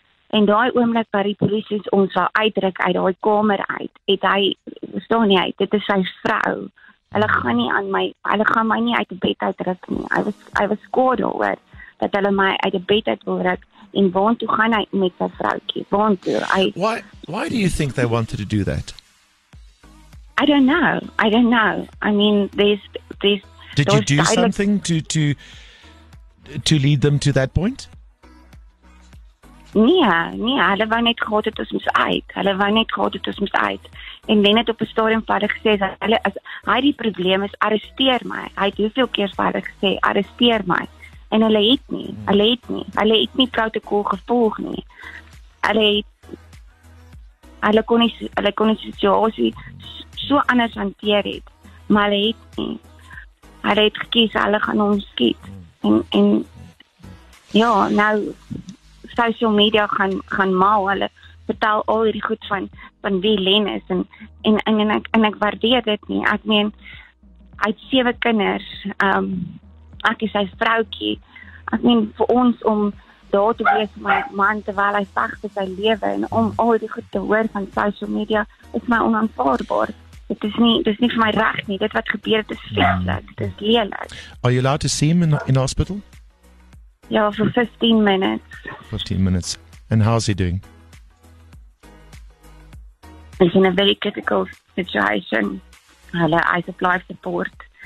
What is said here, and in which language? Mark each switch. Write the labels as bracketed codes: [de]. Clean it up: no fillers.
[af] En daai oomblik wat die polisie ons wou uitdruk uit daai kamer uit, het hy verstaan nie, dit is sy vrou. Hulle gaan my nie uit die bed uitdruk nie. Hy was kwaad daaroor dat hulle my uit die bed uit wil ruk en waartoe gaan hy met sy vroutjie? Waartoe? [en] Why do you think they wanted to do that? I don't know. I mean, there's Did you do something to lead them to that point? [af] Nee, hulle wou net gehad het ons moet uit. Hulle wou net gehad het ons moet uit. En Len het op 'n stadium vir hulle gesê dat hulle as hy die probleem is, arresteer my. Hy het hoeveel keer vir hulle gesê, arresteer my. En hulle het nie. Hulle het nie protokol gevolg nie. Hulle kon die situasie so anders hanteer het, maar hulle het nie. Hulle het gekies, hulle gaan hom skiet. En ja, nou social media gaan mal, hulle vertel al hierdie goed van wie Len is en ek waardeer dit nie. Ek meen, hy het 7 kinders, ek is sy vroutjie. Ek meen, vir ons om daar te wees met my man terwyl hy veg vir sy lewe en om al hierdie goed te hoor van social media is my onaanvaardbaar. Dit is nie vir my reg nie. Dit wat gebeur het is vreeslik. Dit is lelik. [en] Are you allowed to see him in hospital? Ja, for 15 minutes. 15 minutes. And how's he doing? He's in a very critical situation. I supply support.